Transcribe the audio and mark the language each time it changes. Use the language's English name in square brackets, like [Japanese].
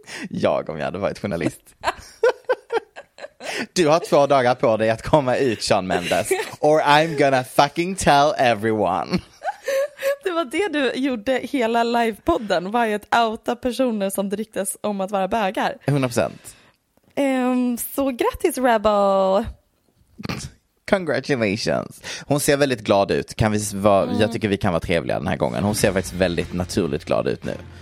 [Swedish] Jag, om jag hade varit journalist. Du har 2 dagar på dig att komma ut, Shawn Mendes. [English] Or I'm gonna fucking tell everyone. [Swedish] Det var det du gjorde hela livepodden. Var ju att outa personer som det riktades om att vara bögar. 100%. Så grattis, Rebel. [English] Congratulations. [Swedish] Hon ser väldigt glad ut. Jag tycker vi kan vara trevliga den här gången. Hon ser faktiskt väldigt naturligt glad ut nu.